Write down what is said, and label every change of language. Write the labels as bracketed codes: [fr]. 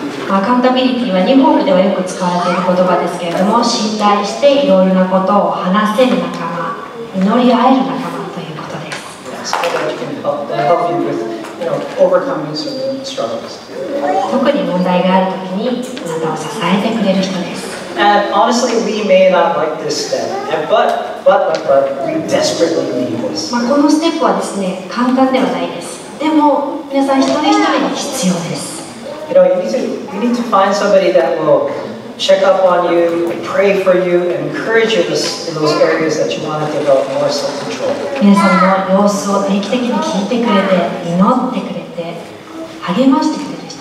[ja] アカウンタビリティは日本語ではよく使われている言葉ですけれども、信頼していろいろなことを話せる仲間、祈り合える仲間ということです。 [en] Yes, so that you can help you with, overcoming some struggles. [ja] 特に問題があるときにあなたを支えてくれる人です。 [en] And honestly, we may not like this step, but we desperately need this. [ja] まあこのステップはですね、簡単ではないです。でも皆さん一人一人に必要です。 [en] You need to find somebody that will check up on you, pray for you, and encourage you in those areas that you want to develop more self-control. [ja] 皆さんの様子を定期的に聞いてくれて、祈ってくれて、励ましてくれて。